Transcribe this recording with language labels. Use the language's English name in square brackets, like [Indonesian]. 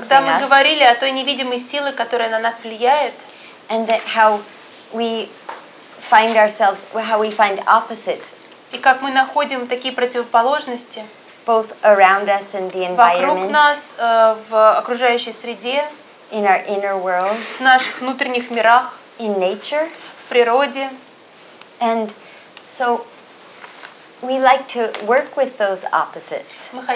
[Russian] Когда мы говорили о той невидимой силе, которая на нас влияет. [English] And that how we find ourselves, how we find opposites. [Russian] И как мы находим такие противоположности. [English] Both around us and the environment. [Russian] Вокруг нас, в окружающей среде. [English] In our inner worlds. [Russian] В наших внутренних мирах. [English] In nature. [Russian] В природе. [English] And so we like to work with those opposites.